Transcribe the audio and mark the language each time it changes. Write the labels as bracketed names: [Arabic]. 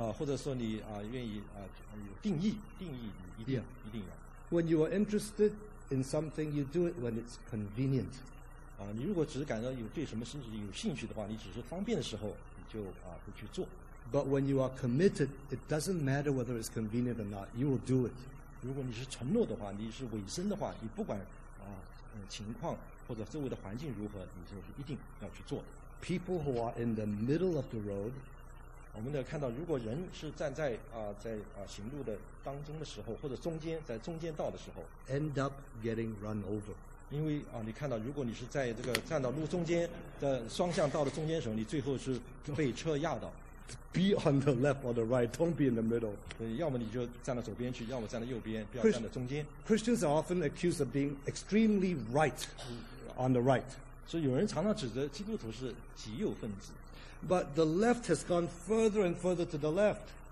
[Chinese] 或者说你愿意有定义你一定、 yeah. 一定要。 [English] When you are interested in something, you do it when it's convenient. [Chinese] 你如果只是感到对什么事情有兴趣的话，你只是方便的时候你就会去做。 [English] But when you are committed, it doesn't matter whether it's convenient or not. You will do it. [Chinese] 如果你是承诺的话，你是委身的话，你不管情况或者周围的环境如何，你就是一定要去做的。 [English] People who are in the middle of the road, [Chinese] 我们得看到，如果人是站在行路的当中的时候，或者中间在中间道的时候 [English] ，end up getting run over. [Chinese] 因为你看到，如果你是在这个站到路中间的双向道的中间的时候，你最后是被车压倒。 [English] Be on the left or the right. Don't be in the middle. [Chinese] 对，要么你就站到左边去，要么站到右边，不要站到中间。 [English] Christians are often accused of being extremely right on the right. [Chinese] 所以有人常常指责基督徒是极右分子。 [English] But the left has gone further and further to the left.